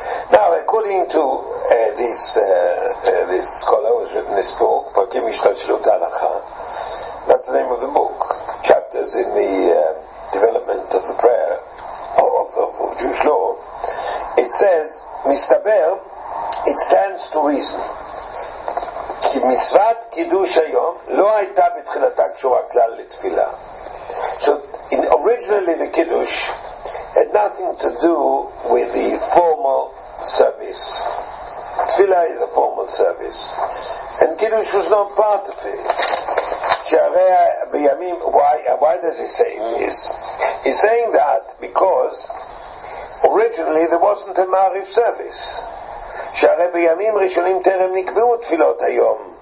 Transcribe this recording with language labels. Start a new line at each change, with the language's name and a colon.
English: Now, according to this scholar who has written this book, Pratim Hishtalshelut Halacha, that's the name of the book, chapters in the development of the prayer of Jewish law, it says, Mistaber, it stands to reason.
Hebrew: מצוות קידוש היום לא הייתה בתחילתה קשורה כלל לתפילה.
English: So originally the Kiddush had nothing to do with the formal service. תפילה is a formal service. And Kiddush was not part of it.
Hebrew: שהרי בימים,
English: why does he say this? He's saying that because originally there wasn't a Maariv service.
Hebrew: שהרי בימים ראשונים טרם נקבעו תפילות היום.